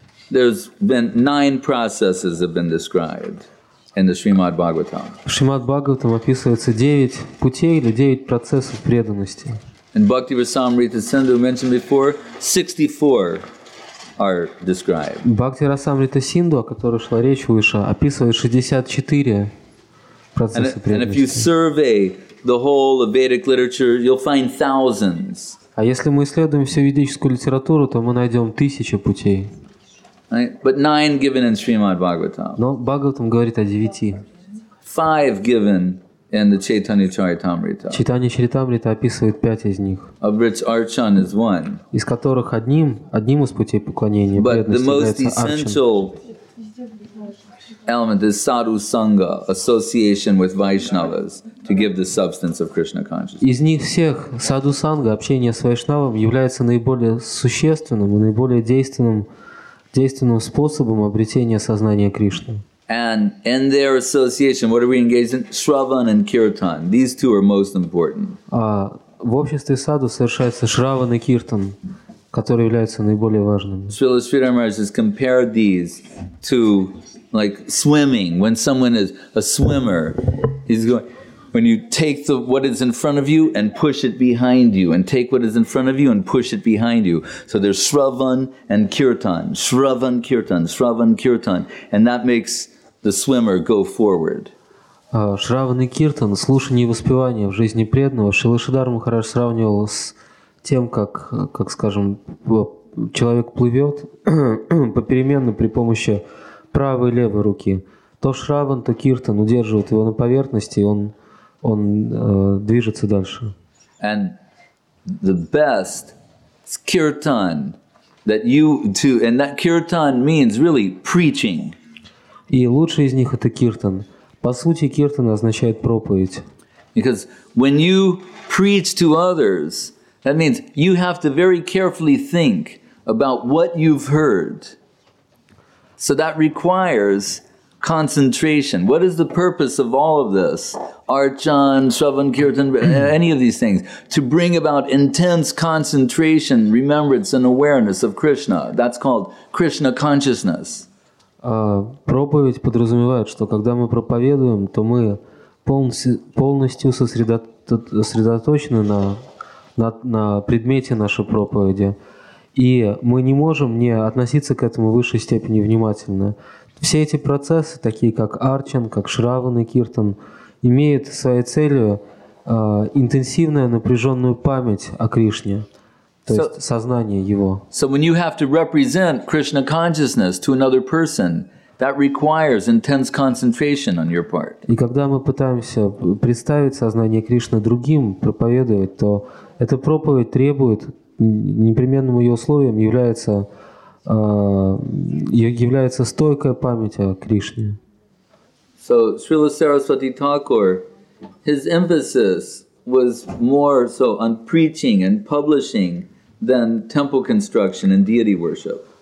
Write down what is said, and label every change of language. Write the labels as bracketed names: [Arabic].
[English] There's been 9 processes have been described in the Srimad Bhagavatam. [Russian] В Шримад Бхагаватам описывается 9 путей или 9 процессов преданности. [English] In Bhakti Rasamrita Sindhu mentioned before, 64 are described. [Russian] Bhakti Rasamrita Sindhu, о которой шла речь выше, описывает 64 процесса преданности. [English] And if you survey the whole of Vedic literature, you'll find thousands. [Russian] А если мы исследуем всю ведическую литературу, то мы найдем тысячи путей. [English] But 9 given in Srimad Bhagavatam. [Russian] Но Бхагаватам говорит о 9. [English] 5 given in the Chaitanya Charitamrita. [Russian] Читание Чаритамрита описывает 5 из них. [English] Of which archan is one. [Russian] Из которых одним из путей поклонения. [English] But the most essential element is sadhu sangha, association with Vaishnavas to give the substance of Krishna consciousness. [Russian] Из них всех sadhu sangha, общение с вайшнавом, является наиболее существенным и наиболее действенным способом обретения сознания Кришны. [English] And in their association, what are we engaged in? Shravan and kirtan. These two are most important. [Russian] В обществе саду совершается шраван и киртан, которые являются наиболее важными. [English] Srila Sridhar Maharaj has compared these to like swimming. When someone is a swimmer, he's going, when you take what is in front of you and push it behind you, and take what is in front of you and push it behind you. So there's Shravan and Kirtan, Shravan Kirtan, Shravan Kirtan, and that makes the swimmer go forward. [Russian] Shravan и Kirtan, слушание и воспевание в жизни преданного, Шрила Шридхар Махарадж сравнивал с тем, как скажем, человек плывет попеременно при помощи правой и левой руки. То Шраван, то Киртан удерживают его на поверхности, и он движется дальше. [English] And the best kirtan that you do, and that kirtan means really preaching. [Russian] И лучший из них это киртан. По сути, киртан означает проповедь. [English] Because when you preach to others, that means you have to very carefully think about what you've heard. So that requires concentration. What is the purpose of all of this? Archan, Shravan, Kirtan, any of these things. To bring about intense concentration, remembrance and awareness of Krishna. That's called Krishna consciousness. [Russian] Проповедь подразумевает, что когда мы проповедуем, то мы полностью сосредоточены на предмете нашей проповеди. И мы не можем не относиться к этому в высшей степени внимательно. Все эти процессы, такие как арчан, как шраван и киртан, имеют своей целью интенсивную напряженную память о Кришне, то есть сознание Его. [English] So when you have to represent Krishna consciousness to another person, that requires intense concentration on your part. [Russian] И когда мы пытаемся представить сознание Кришны другим, проповедовать, то эта проповедь требует, непременным ее условием является является стойкая память о Кришне. [English] So Srila Saraswati Thakur, his emphasis was more so on preaching and publishing than temple construction and deity worship.